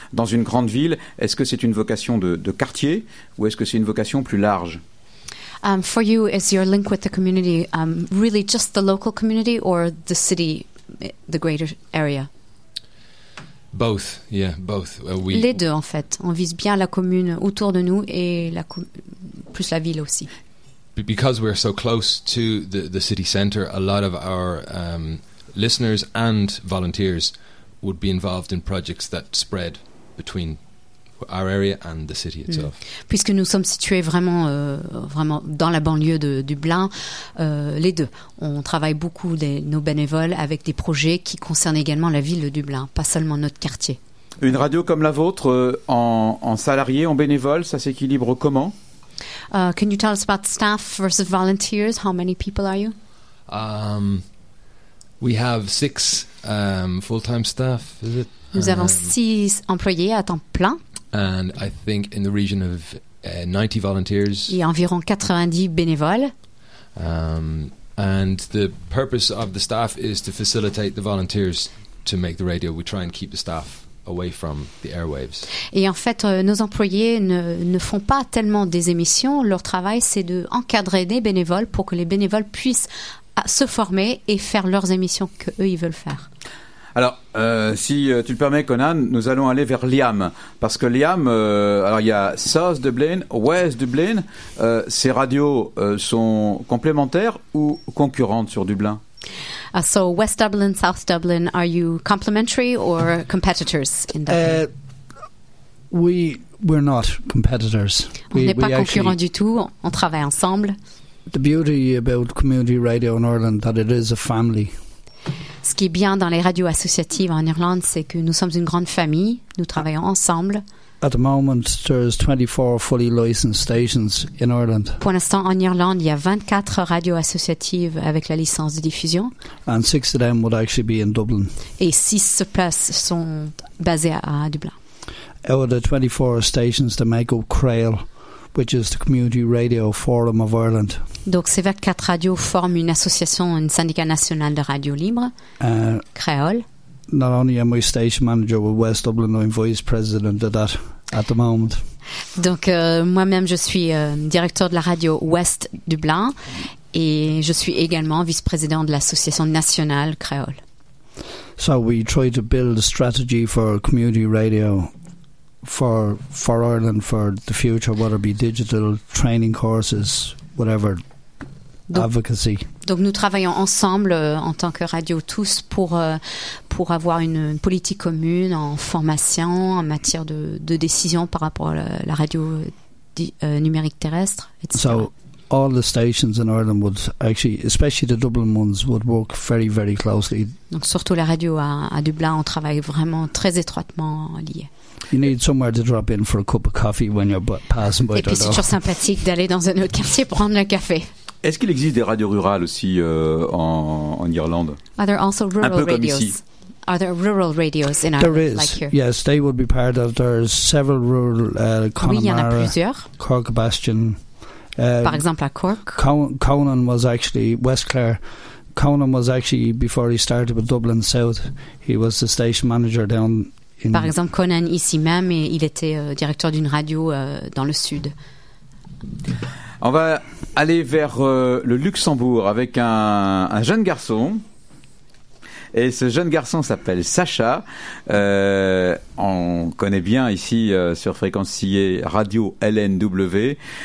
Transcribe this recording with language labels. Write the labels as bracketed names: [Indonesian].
[French] Dans une grande ville, est-ce que c'est une vocation de quartier ou est-ce que c'est une vocation plus large? [English] For you, is your link with the community really just the local community or the city, the greater area? Both, yeah, both. [French] Les deux, en fait. On vise bien la commune autour de nous et plus la ville aussi. [English] Because we're so close to the city center, a lot of our listeners and volunteers would be involved in projects that spread between our area and the city itself. Mm. [French] Puisque nous sommes situés vraiment, vraiment dans la banlieue de Dublin, les deux. On travaille beaucoup, nos bénévoles, avec des projets qui concernent également la ville de Dublin, pas seulement notre quartier. Une radio comme la vôtre, en salarié, en bénévole, ça s'équilibre comment? [English] Can you tell us about staff versus volunteers? How many people are you? We have 6 full-time staff, is it? [French] Nous avons 6 employés à temps plein. [English] And I think in the region of 90 volunteers. [French] Et environ 90 bénévoles. [English] And the purpose of the staff is to facilitate the volunteers to make the radio. We try and keep the staff away from the airwaves. [French] Et en fait, nos employés ne font pas tellement des émissions. Leur travail, c'est d'encadrer des bénévoles pour que les bénévoles puissent à se former et faire leurs émissions qu'eux, ils veulent faire. Alors, si tu le permets, Conan, nous allons aller vers Liam. Parce que Liam, alors il y a South Dublin, West Dublin. Ces radios sont complémentaires ou concurrentes sur Dublin? [English] So, West Dublin, South Dublin, are you complementary or competitors in Dublin? We're not competitors. [French] On n'est pas concurrents du tout, on travaille ensemble. [English] The beauty about community radio in Ireland that it is a family. [French] Ce qui est bien dans les radios associatives en Irlande, c'est que nous sommes une grande famille, nous travaillons ensemble. [English] At the moment, there's 24 fully licensed stations in Ireland. [French] Pour l'instant, en Irlande, il y a 24 radios associatives avec la licence de diffusion. [English] And six of them would actually be in Dublin. [French] Et 6 places sont basées à Dublin. [English] Out of the 24 stations that make up CRAIL, which is the Community Radio Forum of Ireland. [French] Donc ces 24 radios forment une association, un syndicat national de radio libre, CRAIL. [English] Not only am I station manager with West Dublin, I'm vice president of that at the moment. [French] Donc moi-même je suis directeur de la radio West Dublin et je suis également vice-président de l'association nationale CRAIL. [English] So we try to build a strategy for community radio for Ireland for the future, whether it be digital training courses, whatever. Advocacy. [French] Donc nous travaillons ensemble en tant que radio tous pour avoir une politique commune en formation, en matière de décision par rapport à la radio numérique terrestre, etc. [English] So all the stations in Ireland would actually, especially the Dublin ones, would work very, very closely. [French] Donc surtout la radio à Dublin, on travaille vraiment très étroitement liés. [English] You need somewhere to drop in for a cup of coffee when you're passing by. [French] Et puis c'est toujours sympathique d'aller dans un autre quartier prendre un café. Est-ce qu'il existe des radios rurales aussi en Irlande? [English] Are there also rural [French] un peu comme [English] radios? [French] Ici. [English] Are there rural radios in there Ireland? There is. Like here? Yes, they would be part of. There's several rural Connemara. [French] Oui, il y en a plusieurs. [English] Cork Bastion. [French] Par exemple, à Cork. [English] Conan was actually West Clare. Conan was actually before he started with Dublin South. He was the station manager down. In [French] Par exemple, Conan ici même, et il était directeur d'une radio dans le sud. On va aller vers le Luxembourg avec un jeune garçon. Et ce jeune garçon s'appelle Sacha. On connaît bien ici sur Fréquencier Radio LNW.